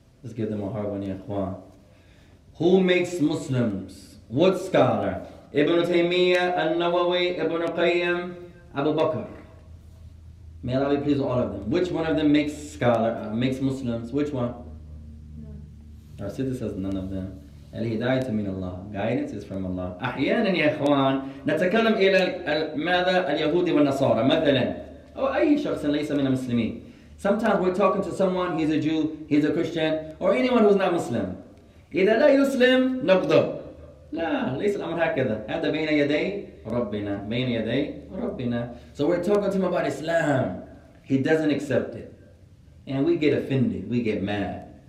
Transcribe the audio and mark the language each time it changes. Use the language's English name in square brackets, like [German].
[English] Let's give them a hard one, Ya Ikhwan. Who makes Muslims? What scholar? Ibn Taymiyyah, Al-Nawawi, Ibn Qayyim, Abu Bakr. May Allah be pleased with all of them. Which one of them makes makes Muslims? Which one? No. Our sister says none of them. [Arabic] Al-Hidayatu min Allah. [English] Guidance is from Allah. [Arabic] أحياناً يا إخوان نتكلم إلى ماذا اليهود والنصارى مثلاً أو أي شخص ليس من المسلمين. [English] Sometimes we're talking to someone, he's a Jew, he's a Christian, or anyone who's not Muslim. [Arabic] إذا لا يسلم نغضب. لا ليس الأمر هكذا. هذا بين يدي ربنا. بين يدي ربنا. [English] So we're talking to him about Islam. He doesn't accept it. And we get offended. We get mad.